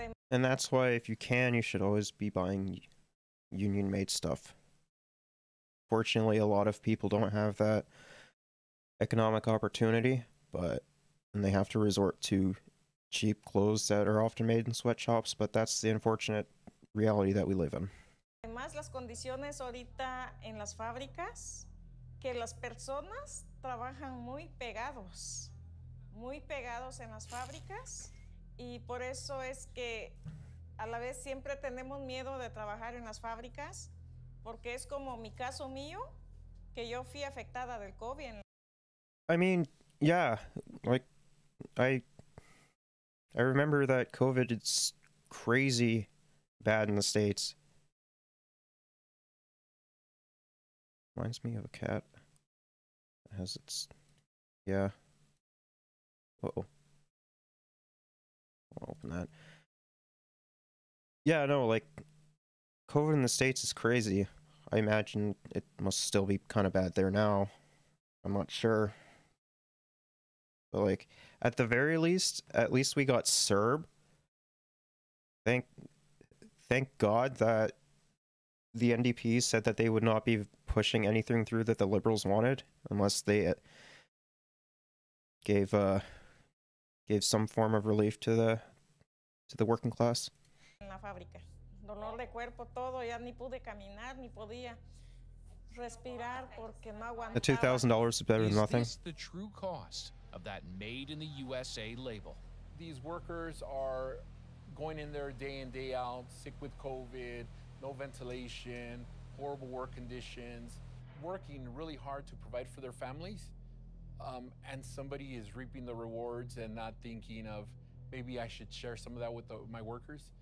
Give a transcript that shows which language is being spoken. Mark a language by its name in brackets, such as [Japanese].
[English] And that's why if you can, you should always be buying union-made stuff. Fortunately, a lot of people don't have that economic opportunity. But, and they have to resort to cheap clothes that are often made in sweatshops, but that's the unfortunate reality that we live in. [Spanish] Además, las condiciones ahorita en las fábricas, que las personas trabajan muy pegados en las fábricas, y por eso es que a la vez siempre tenemos miedo de trabajar en las fábricas, porque es como mi caso mío, que yo fui afectada del COVID. [English] I mean, yeah, like, I remember that COVID is crazy bad in the States. Reminds me of a cat. It has its, yeah. Uh-oh. I'll open that. Yeah, no, like, COVID in the States is crazy. I imagine it must still be kind of bad there now. I'm not sure. But like, at the very least, at least we got CERB. Thank God that the NDP said that they would not be pushing anything through that the Liberals wanted, unless they gave some form of relief to the working class. [Spanish] En la fábrica, dolor de cuerpo todo, ya ni pude caminar, ni podía respirar porque no aguantaba. [English] $2,000 is better than nothing. Is this the true cost of that made in the USA label? These workers are going in there day in, day out, sick with COVID, no ventilation, horrible work conditions, working really hard to provide for their families, and somebody is reaping the rewards and not thinking of, maybe I should share some of that with my workers.